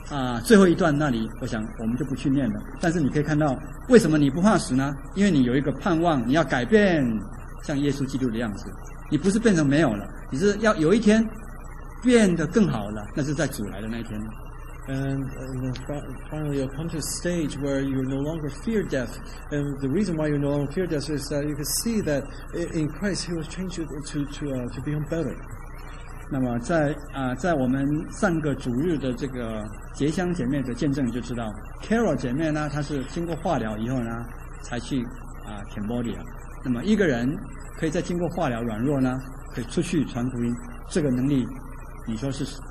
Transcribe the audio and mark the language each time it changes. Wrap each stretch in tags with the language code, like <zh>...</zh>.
<zh>好，那么第三点呢，就是讲到说，我们不但是不怕死，而且可以什么胜过死亡，就是你要能够看见你是胜过死亡的。这在哥林多前书的十一章，不，十五章的最后一段那里，我想我们就不去念了。但是你可以看到，为什么你不怕死呢？因为你有一个盼望，你要改变。像耶稣基督的样子。你不是变成没有了，你是要有一天变得更好了，那是在主来的那一天。</zh> <en>And finally, you'll come to a stage where you no longer fear death. And the reason why you no longer fear death is that you can see that in Christ, He will change you to become better.</en> <zh>那么在在我们上个主日的这个洁香姐妹的见证就知道 ，Carol 姐妹呢，她是经过化疗以后呢，才去Cambodia。那么一个人可以在经过化疗软弱呢，可以出去传福音，这个能力，你说是？</zh>